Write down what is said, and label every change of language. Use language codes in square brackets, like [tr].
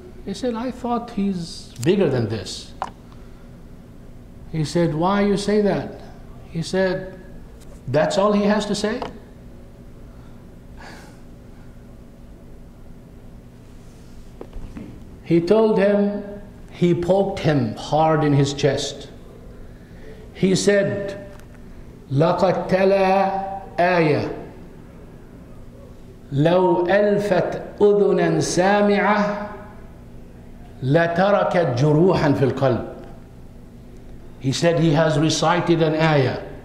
[en] He said, "I thought he's bigger than this." He said, "Why you say that?" He said, "That's all he has to say?" He told him, he poked him hard in his chest. He said, [ar] "لَقَدْ تَلَى آيَةً لَوْ أَلْفَتْ أُذُنًا سَامِعَةً لَتَرَكَتْ جُرُوحًا فِي الْقَلْبِ." [en] He said he has recited an ayah.